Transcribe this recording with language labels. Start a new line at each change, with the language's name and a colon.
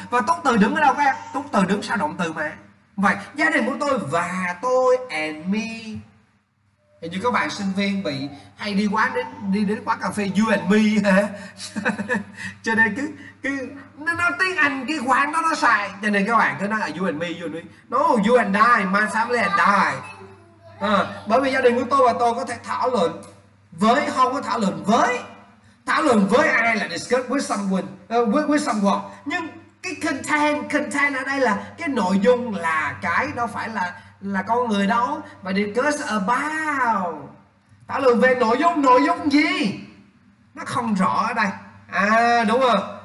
Vietnamese: Và tốt từ đứng ở đâu các em? Tốt từ đứng sau động từ mà. Vậy gia đình của tôi và tôi
English: and me.
Vietnamese: Hình như các bạn sinh viên bị hay đi quán đi đến quán cà phê
English: you and me
Vietnamese: hả? Cho nên cứ nó tiếng Anh cái quán đó nó xài. Cho nên các bạn cứ nói là
English: you and me. No, you and I, my family and I.
Vietnamese: Bởi vì gia đình của tôi và tôi có thể thảo luận với, không có thảo luận với. Thảo luận với ai là
English: discuss with someone, with someone.
Vietnamese: Nhưng cái content ở đây là cái nội dung, là cái đâu phải là con người đâu. Và
English: discuss about,
Vietnamese: thảo luận về nội dung gì. Nó không rõ ở đây. À đúng rồi.